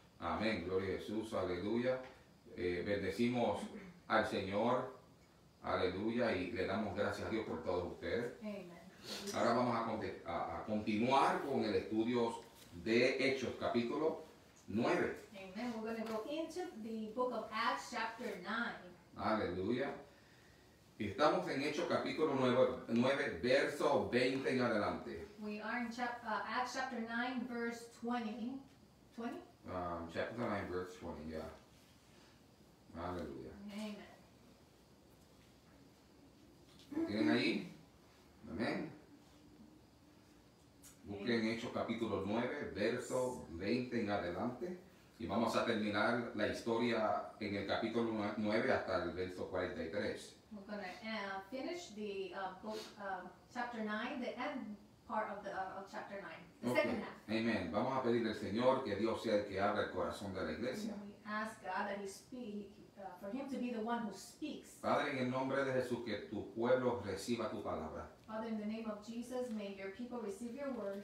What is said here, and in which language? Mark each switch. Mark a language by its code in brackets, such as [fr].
[es] Amén, gloria a Jesús, aleluya. Bendecimos al Señor, aleluya, y le damos gracias a Dios por todos ustedes. [en] Amen. [es] Ahora vamos a continuar con el estudio de Hechos, capítulo 9. [en] Amen, we're going to go into the book of Acts, chapter 9. [es] Aleluya. Estamos en Hechos, capítulo 9, verso 20 en adelante. [en] We are in Acts, chapter 9, verse 20. Chapter 9, verse 20, yeah. Hallelujah. Amen. [es] ¿Tienen ahí? Amén. Busquen Hechos capítulo 9, verso 20 en adelante. Y vamos a terminar la historia en el capítulo 9 hasta el verso 43. [en] We're going to finish the book, chapter 9, the end part of the of chapter 9. [es] Okay. Amén. Vamos a pedirle al Señor que Dios sea el que abra el corazón de la iglesia. [en] We ask God that He speak, for Him to be the one who speaks. [es] Padre, en el nombre de Jesús, que tu pueblo reciba tu palabra. [en] Father, in the name of Jesus, may your people receive your word.